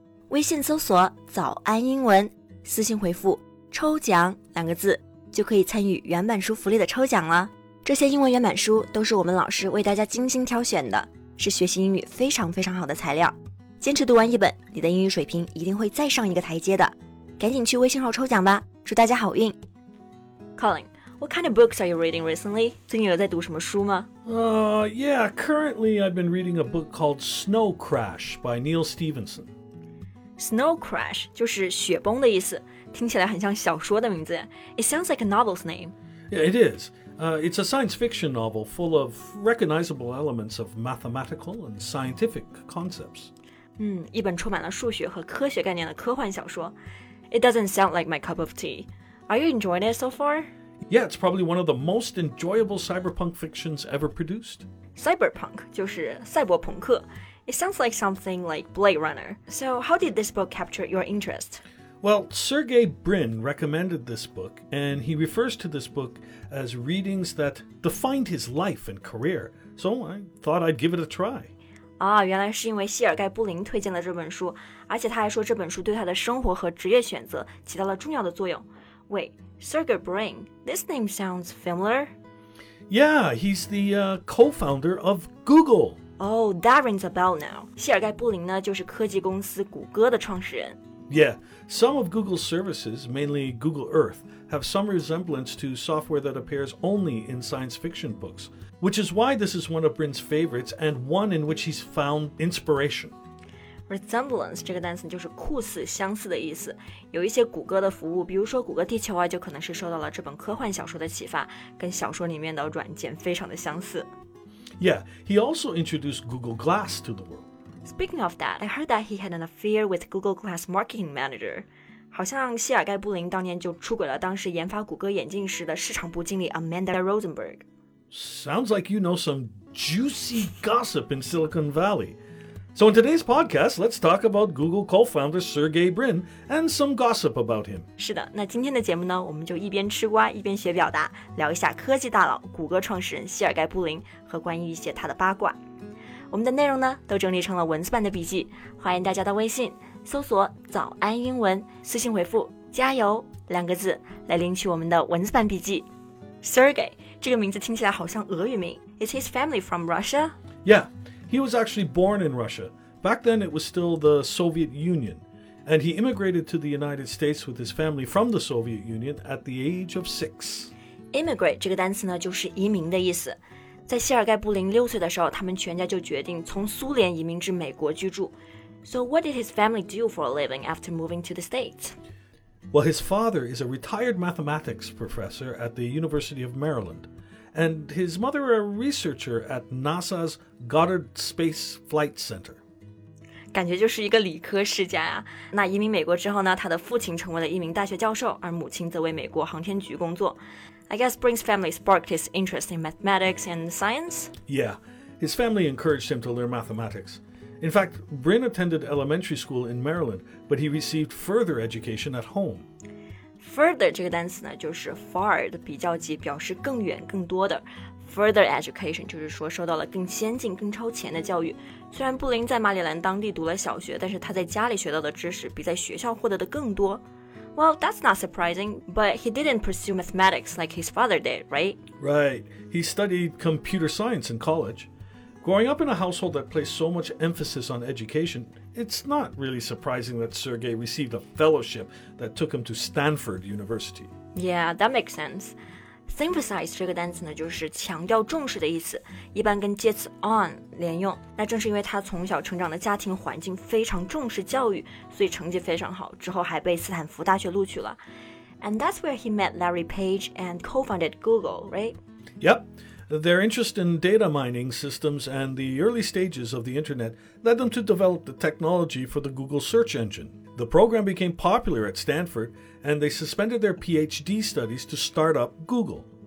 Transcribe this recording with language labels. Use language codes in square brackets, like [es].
[zh] 微信搜索早安英文，私信回复抽奖两个字，就可以参与原版书福利的抽奖了。这些英文原版书都是我们老师为大家精心挑选的，是学习英语非常非常好的材料。坚持读完一本，你的英语水平一定会再上一个台阶的。赶紧去微信号抽奖吧，祝大家好运。 [en] Colin, what kind of books are you reading recently? [zh] 最近有在读什么书吗？ [en] Currently I've been reading a book called Snow Crash by Neal Stephenson. [zh] Snow Crash 就是雪崩的意思，听起来很像小说的名字。 [en] It sounds like a novel's name. Yeah, it is. It's a science fiction novel full of recognizable elements of mathematical and scientific concepts. 一本充满了数学和科学概念的科幻小说。 It doesn't sound like my cup of tea. Are you enjoying it so far? Yeah, it's probably one of the most enjoyable cyberpunk fictions ever produced. Cyberpunk [zh] 就是赛博朋克。 [en] It sounds like something like Blade Runner. So how did this book capture your interest? Well, Sergey Brin recommended this book, and he refers to this book as readings that defined his life and career. So I thought I'd give it a try. [zh] 原来是因为谢尔盖布林推荐了这本书，而且他还说这本书对他的生活和职业选择起到了重要的作用。 [en] Wait, Sergey Brin, this name sounds familiar? Yeah, he's the co-founder of Google. Oh, that rings a bell now. [zh] 谢尔盖布林呢，就是科技公司谷歌的创始人。 [en] Yeah, some of Google's services, mainly Google Earth, have some resemblance to software that appears only in science fiction books. Which is why this is one of Brin's favorites and one in which he's found inspiration. [zh] Resemblance 这个单词就是酷似、相似的意思。有一些谷歌的服务，比如说谷歌地球啊，就可能是受到了这本科幻小说的启发，跟小说里面的软件非常的相似。 [en] Yeah, he also introduced Google Glass to the world. Speaking of that, I heard that he had an affair with Google Glass marketing manager. [zh] 好像谢尔盖布林当年就出轨了当时研发谷歌眼镜时的市场部经理 Amanda Rosenberg. [en] Sounds like you know some juicy gossip in Silicon Valley. So in today's podcast, let's talk about Google co-founder Sergey Brin and some gossip about him. [zh] 是的，那今天的节目呢，我们就一边吃瓜一边学表达，聊一下科技大佬谷歌创始人谢尔盖布林和关于一些他的八卦。我们的内容呢，都整理成了文字版的笔记，欢迎大家到微信搜索早安英文，私信回复加油两个字来领取我们的文字版笔记。 Sergey, 这个名字听起来好像俄语名。 [en] Is his family from Russia? Yeah, he was actually born in Russia. Back then it was still the Soviet Union. And he immigrated to the United States with his family from the Soviet Union at the age of 6. [zh] Immigrate 这个单词呢就是移民的意思。在谢尔盖布林6岁的时候，他们全家就决定从苏联移民至美国居住。 [en] So what did his family do for a living after moving to the States? Well, his father is a retired mathematics professor at the University of Maryland, and his mother a researcher at NASA's Goddard Space Flight Center. [zh] 感觉就是一个理科世家呀。那移民美国之后呢，他的父亲成为了一名大学教授，而母亲则为美国航天局工作。 [en] I guess Brin's family sparked his interest in mathematics and science? Yeah, his family encouraged him to learn mathematics. In fact, Brin attended elementary school in Maryland, but he received further education at home. [zh] Further 这个单词呢，就是 far 的比较级，表示更远、更多的。 Further education 就是说受到了更先进、更超前的教育。虽然布林在马里兰当地读了小学，但是他在家里学到的知识比在学校获得的更多。 [en] Well, that's not surprising, but he didn't pursue mathematics like his father did, right? Right. He studied computer science in college. Growing up in a household that placed so much emphasis on education, it's not really surprising that Sergey received a fellowship that took him to Stanford University. Yeah, that makes sense. [zh] Synthesize 这个单词呢，就是强调重视的意思，一般跟介词 on 连用。那正是因为他从小成长的家庭环境非常重视教育，所以成绩非常好，之后还被斯坦福大学录取了。 [en] And that's where he met Larry Page and co-founded Google, right? Yep. Their interest in data mining systems and the early stages of the internet led them to develop the technology for the Google search engine. The program became popular at Stanford, and they suspended their PhD studies to start up Google.